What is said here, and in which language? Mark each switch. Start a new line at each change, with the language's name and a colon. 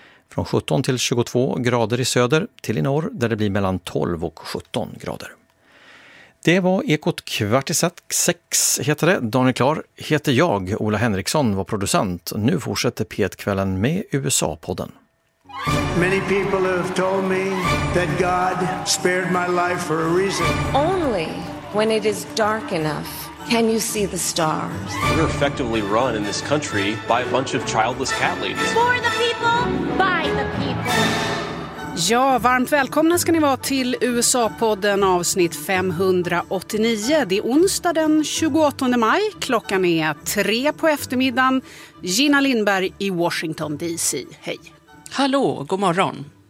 Swedish: Från 17 till 22 grader i söder till i norr där det blir mellan 12 och 17 grader. Det var Ekot kvart i sex heter det. Daniel Klar heter jag. Ola Henriksson var producent. Nu fortsätter P1-kvällen med USA-podden.
English: Many people have told me that God spared my life for a reason. Only when it is dark enough can you see the stars. We're effectively run in this country by a bunch of childless cat ladies. For the people, by the people.
Swedish: Ja, varmt välkomna ska ni vara till USA-podden avsnitt 589. Det är onsdag den 28 maj. Klockan är 3 på eftermiddagen. Gina Lindberg i Washington DC. Hej. Hallå, god morgon.